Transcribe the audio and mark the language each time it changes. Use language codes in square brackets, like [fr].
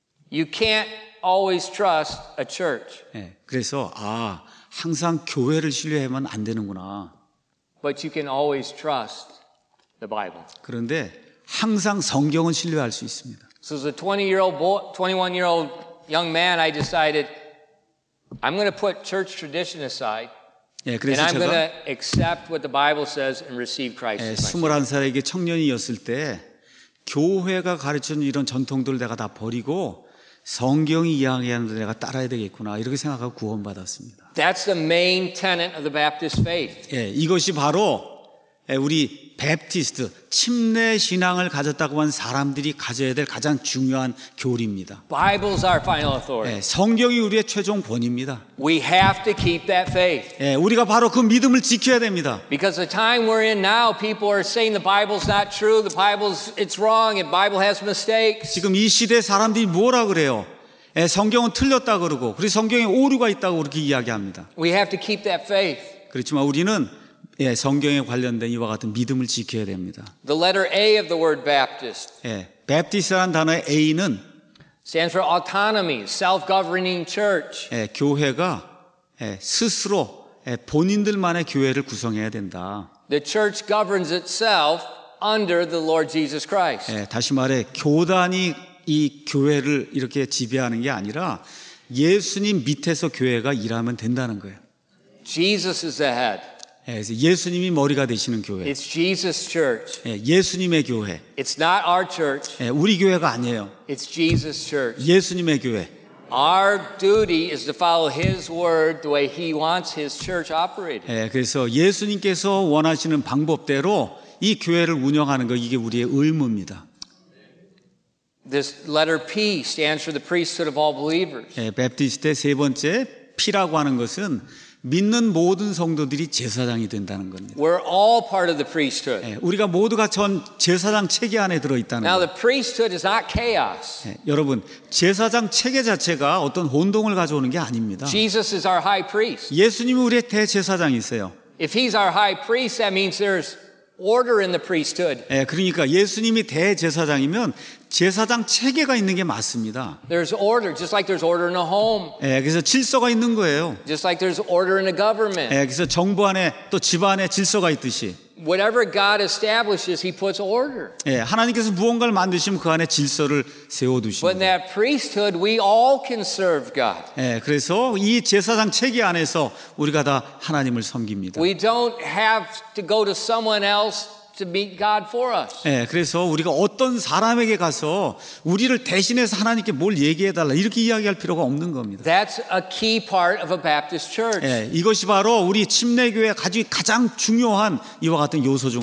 [en] You can't always trust a church. [ko] 예, 그래서 아 항상 교회를 신뢰하면 안 되는구나. [en] But you can always trust the Bible. [ko] 그런데 항상 성경은 신뢰할 수 있습니다. [en] So as a 20-year-old boy, 21-year-old young man, I decided I'm going to put church tradition aside. [ko] 예, 그래서 [en] and I'm going to accept what the Bible says and receive Christ. [ko] 예, 21살에게 청년이었을 때 교회가 가르쳐준 이런 전통들을 내가 다 버리고 성경이 이야기하는 대로 내가 따라야 되겠구나 이렇게 생각하고 구원받았습니다. [en] That's the main tenet of the Baptist faith. [ko] 예, 이것이 바로 우리 Baptist 침례 신앙을 가졌다고 한 사람들이 가져야 될 가장 중요한 교리입니다. [en] Bible's our final authority. [ko] 예, 성경이 우리의 최종 본입니다. [en] We have to keep that faith. [ko] 예, 우리가 바로 그 믿음을 지켜야 됩니다. [en] Because the time we're in now, people are saying the Bible's not true, the Bible's it's wrong, and Bible has mistakes. [ko] 지금 이 시대 사람들이 뭐라 그래요? 예, 성경은 틀렸다 그러고, 그리고 성경에 오류가 있다고 그렇게 이야기합니다. [en] We have to keep that faith. [ko] 그렇지만 우리는 예, 성경에 관련된 이와 같은 믿음을 지켜야 됩니다. [en] The letter A of the word Baptist. [ko] 예, Baptist라는 단어의 A는 [en] stands for autonomy, self-governing church. [ko] 예, 교회가 예, 스스로 예, 본인들만의 교회를 구성해야 된다. [en] The church governs itself under the Lord Jesus Christ. [ko] 예, 다시 말해 교단이 이 교회를 이렇게 지배하는 게 아니라 예수님 밑에서 교회가 일하면 된다는 거예요. [en] Jesus is the head. [ko] 예수님이 머리가 되시는 교회. [en] It's Jesus' church. [ko] 예수님의 교회. [en] It's not our church. [ko] 우리 교회가 아니에요. [en] It's Jesus' church. [ko] 예수님의 교회. [en] Our duty is to follow His word the way He wants His church operated. [ko] 그래서 예수님께서 원하시는 방법대로 이 교회를 운영하는 거 이게 우리의 의무입니다. [en] This letter P stands for the priesthood of all believers. [ko] 베프티스트의 세 번째 P라고 하는 것은 믿는 모든 성도들이 제사장이 된다는 겁니다. [en] We're all part of the priesthood. [ko] 예, 우리가 모두가 전 제사장 체계 안에 들어 있다는 거예요. [en] Now the priesthood is not chaos. [ko] 예, 여러분, 제사장 체계 자체가 어떤 혼동을 가져오는 게 아닙니다. [en] Jesus is our high priest. [ko] 예수님이 우리의 대제사장이세요. [en] If he's our high priest, that means there's order in the priesthood. [ko] 예, 그러니까 예수님이 대제사장이면 제사장 체계가 있는 게 맞습니다. [en] There's order, just like there's order in a home. [ko] 예, 그래서 질서가 있는 거예요. [en] Just like there's order in a government. [ko] 예, 그래서 정부 안에 또 집안에 질서가 있듯이. [en] Whatever God establishes, He puts order. [ko] 예, 하나님께서 무언가를 만드시면 그 안에 질서를 세워두십니다. [en] But in that priesthood, we all can serve God. [ko] 예, 그래서 이 제사장 체계 안에서 우리가 다 하나님을 섬깁니다. [en] We don't have to go to someone else. To meet God for us. [ko] 예, 그래서 우리가 어떤 사람에게 가서 우리를 대신해서 하나님께 뭘 얘기해 달라 이렇게 이야기할 필요가 없는 겁니다. [en] That's a key part of a Baptist church. [ko] 예, 이것이 바로 우리 침례교회 가장 중요한 이와 같은 요소 중